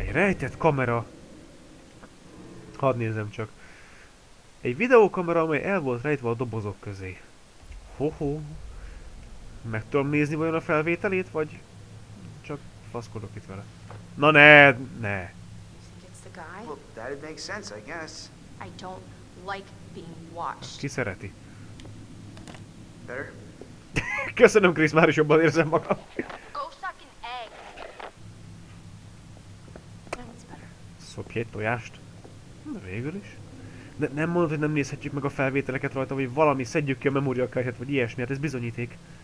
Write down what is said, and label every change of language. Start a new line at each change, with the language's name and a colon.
Hungarian: Egy rejtett kamera! Hadd nézem csak. Egy videókamera, amely el volt rejtve a dobozok közé. Hoho! Meg tudom nézni vajon a felvételét, vagy... Csak faszkodok itt vele. Na ne! Ne!
English: Well, that'd make sense, I guess. I don't like being watched.
Hungarian: Ki szereti?
English: Better?
Hungarian: Köszönöm, Krisz, már is jobban érzem magam.
English: Go suck an egg.
Hungarian: Szopj egy tojást. De végül is. De nem mondod, hogy nem nézhetjük meg a felvételeket rajta, vagy valami, szedjük ki a memóriakártyát, vagy ilyesmi, hát ez bizonyíték.